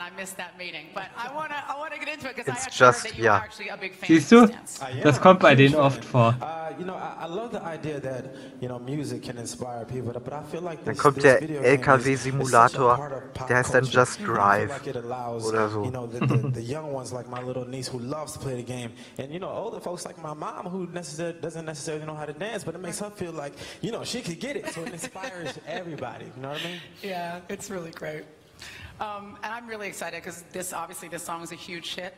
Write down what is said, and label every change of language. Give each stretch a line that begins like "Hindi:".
English: I missed that meeting, but I want to get into it because I actually just, that you're actually a big fan.
German: Siehst du? Das kommt bei denen oft vor.
English: You know, I love the idea that, you know, music can inspire people, but I feel like this video game is such a part of pop culture.
German: Simulator, der heißt dann Just Drive oder so.
English: The young ones like my little niece who loves to play the game and you know older folks like my mom who doesn't necessarily know how to dance but it makes her feel like you know she could get it, so it inspires everybody, you know what I mean? Yeah, it's really great. And I'm really excited because this song is a huge hit.